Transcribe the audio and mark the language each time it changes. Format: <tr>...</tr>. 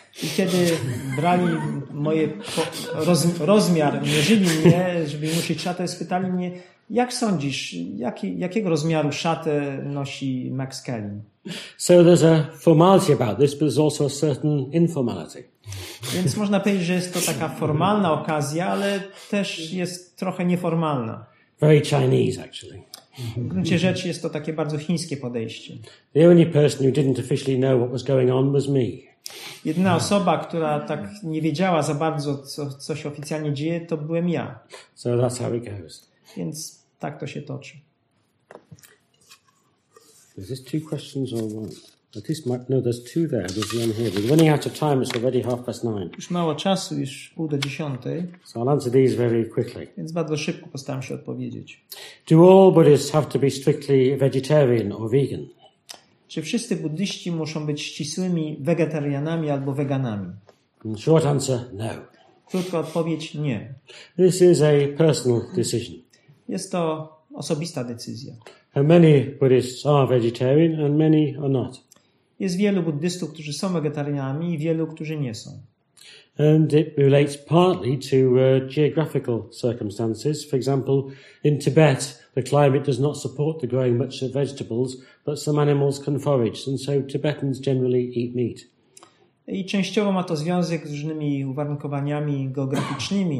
<pl>I kiedy brali moje rozmiar, mierzyli mnie, żeby im uszyć szatę, spytali mnie, jak sądzisz, jakiego rozmiaru szatę nosi Max Carlin?</pl> <en>So there's a formality about this, but there's also a certain informality.</en> <pl>Więc można powiedzieć, że jest to taka formalna okazja, ale też jest trochę nieformalna.</pl> <en>Very Chinese, actually.</en> <pl>W gruncie rzeczy jest to takie bardzo chińskie podejście.</pl> <en>The only person who didn't officially know what was going on was me.</en> <pl>Jedyna osoba, która tak nie wiedziała za bardzo, co się oficjalnie dzieje, to byłem ja.</pl> <en>So that's how it goes.</en> <pl>Więc tak to się toczy.</pl> <en>Is this two questions or one? At least no, there's two there. There's one here. We're running out of time. It's already 9:30.</en> <pl>Już mało czasu, już 9:30.</pl> <en>So I'll answer these very quickly.</en> <pl>Więc bardzo szybko postaram się odpowiedzieć.</pl> <en>Do all Buddhists have to be strictly vegetarian or vegan?</en> <pl>Czy wszyscy buddyści muszą być ścisłymi wegetarianami albo weganami?</pl> <en>Short answer, no.</en> <pl>Krótka odpowiedź, nie.</pl> <en>This is a personal decision.</en> <pl>Jest to osobista decyzja.</pl> <en>And many Buddhists are vegetarian and many are not.</en> <pl>Jest wielu buddystów, którzy są wegetarianami i wielu, którzy nie są.</pl> <en>And it relates partly to geographical circumstances. For example, in Tibet, the climate does not support the growing much of vegetables, but some animals can forage, and so Tibetans generally eat meat.</en> <pl>I częściowo ma to związek z różnymi uwarunkowaniami geograficznymi.</pl>